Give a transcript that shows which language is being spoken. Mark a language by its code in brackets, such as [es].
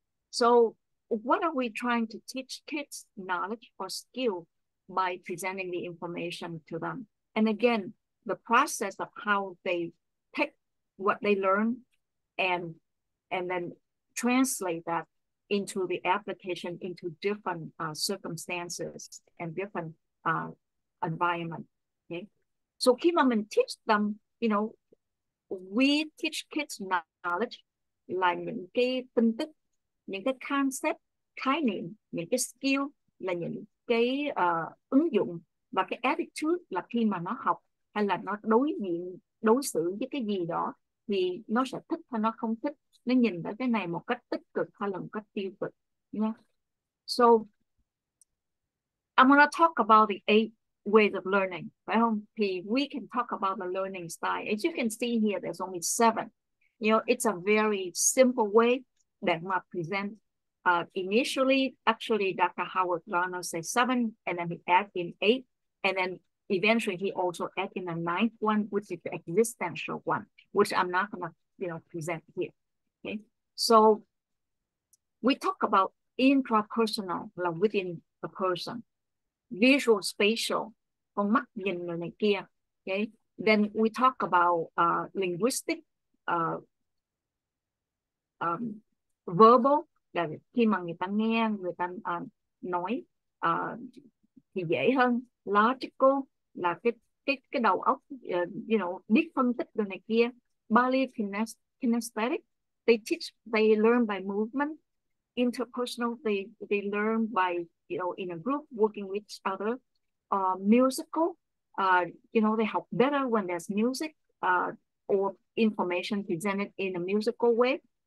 [en] So what are we trying to teach kids? Knowledge or skill by presenting the information to them. And again, the process of how they what they learn and then translate that into the application into different circumstances and different environment. [vi] Okay, so khi mà mình [en] teach them, you know, we teach kids knowledge, [vi] là những cái tin tức, những cái concept, khái niệm, những cái skill, là những cái ứng dụng và cái attitude, là khi mà nó học hay là nó đối diện, đối xử với cái gì đó thì nó sẽ thích hay nó không thích, nó nhìn vào cái này một cách tích cực hay là một cách tiêu cực. [en] Yeah. So I'm gonna talk about the 8 ways of learning, phải không? Thì we can talk about the learning style. As you can see here, there's only 7. You know, it's a very simple way that I present. Initially, actually, Dr. Howard Garner says 7, and then he adds in 8, and then eventually he also adds in a 9th one, which is the existential one, which I'm not gonna, you know, present here. Okay, so we talk about intrapersonal, like within the person. [vi] Visual, spatial, con mắt nhìn rồi này kia. [en] Okay, then we talk about linguistic, verbal, [vi] là khi mà người ta nghe, người ta nói thì dễ hơn. Logical là cái đầu óc, you know, biết phân tích rồi này kia. [en] Body kinesthetic, they learn by movement. Interpersonal, they learn by, you know, in a group working with each other. Musical, you know, they help better when there's music or information presented in a musical way.